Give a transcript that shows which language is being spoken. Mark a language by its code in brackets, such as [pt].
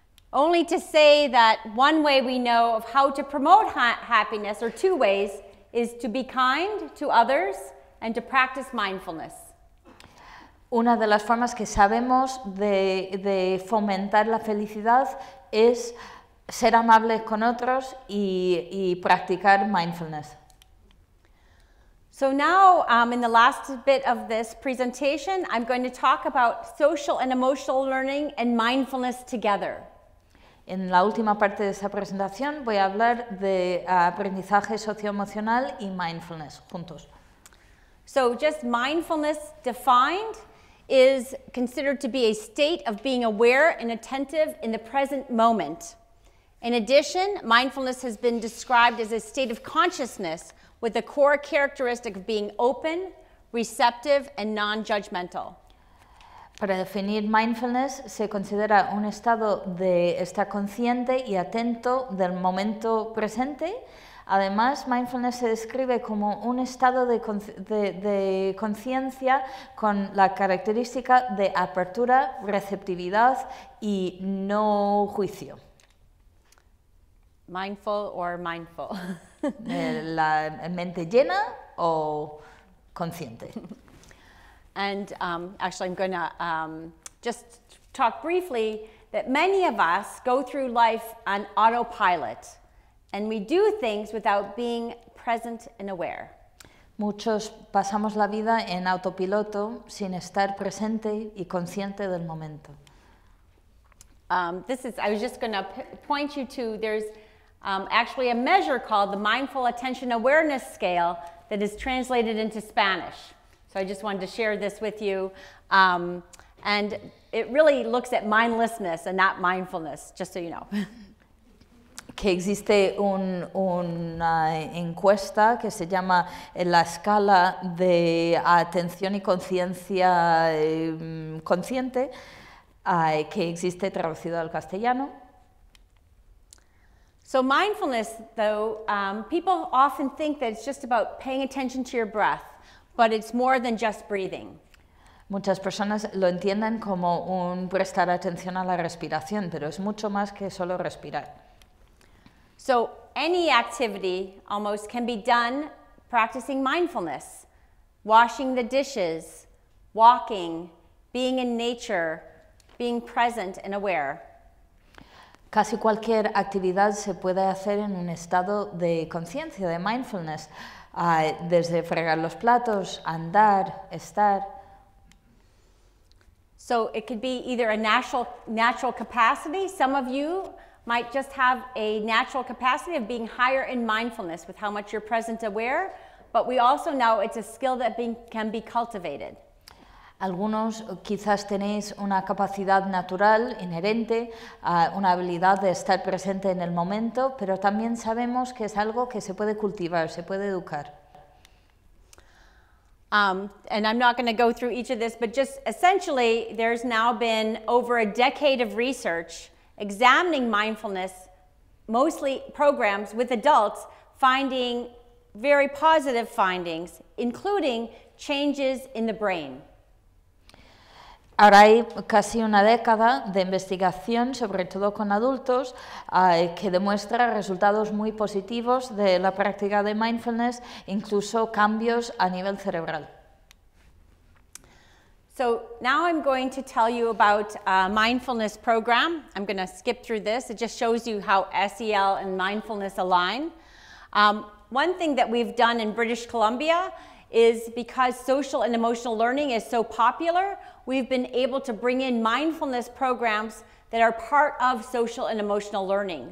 [en] Only to say that one way we know of how to promote happiness, or two ways, is to be kind to others and to practice mindfulness. [es] Una de las formas que sabemos de fomentar la felicidad es ser amables con otros y practicar mindfulness. [en] So now, in the last bit of this presentation, I'm going to talk about social and emotional learning and mindfulness together. [es] En la última parte de esta presentación voy a hablar de aprendizaje socioemocional y mindfulness juntos. [en] So just mindfulness defined is considered to be a state of being aware and attentive in the present moment. In addition, mindfulness has been described as a state of consciousness with a core characteristic of being open, receptive, and non-judgmental. [es] Para definir mindfulness, se considera un estado de estar consciente y atento del momento presente. Además, mindfulness se describe como un estado de conciencia con la característica de apertura, receptividad y no juicio. [en] Mindful or mindful. [es] La mente llena o consciente. [en] And actually, I'm going to just talk briefly that many of us go through life on autopilot. And we do things without being present and aware. [es] Muchos pasamos la vida en autopiloto sin estar presente y consciente del momento. [en] I was just going to point you to, there's actually a measure called the Mindful Attention Awareness Scale that is translated into Spanish. So I just wanted to share this with you. And it really looks at mindlessness and not mindfulness, just so you know. [es] Que existe una encuesta que se llama la escala de atención y conciencia consciente, que existe traducido al castellano. [en] So mindfulness, though, people often think that it's just about paying attention to your breath, but it's more than just breathing. [es] Muchas personas lo entienden como un prestar atención a la respiración, pero es mucho más que solo respirar. [en] So any activity almost can be done practicing mindfulness. Washing the dishes, walking, being in nature, being present and aware. [es] Casi cualquier actividad se puede hacer en un estado de conciencia, de mindfulness. Desde fregar los platos, andar, estar. [en] So it could be either a natural capacity. Some of you might just have a natural capacity of being higher in mindfulness with how much you're present aware, but we also know it's a skill that can be cultivated. [es] Algunos quizás tenéis una capacidad natural, inherente, una habilidad de estar presente en el momento, pero también sabemos que es algo que se puede cultivar, se puede educar. [en] And I'm not going to go through each of this, but just essentially, there's now been over a decade of research examining mindfulness, mostly programs with adults, finding very positive findings, including changes in the brain. [es] Ahora hay casi una década de investigación, sobre todo con adultos, que demuestra resultados muy positivos de la práctica de mindfulness, incluso cambios a nivel cerebral. [en] So now I'm going to tell you about a mindfulness program. I'm going to skip through this. It just shows you how SEL and mindfulness align. One thing that we've done in British Columbia is because social and emotional learning is so popular, we've been able to bring in mindfulness programs that are part of social and emotional learning.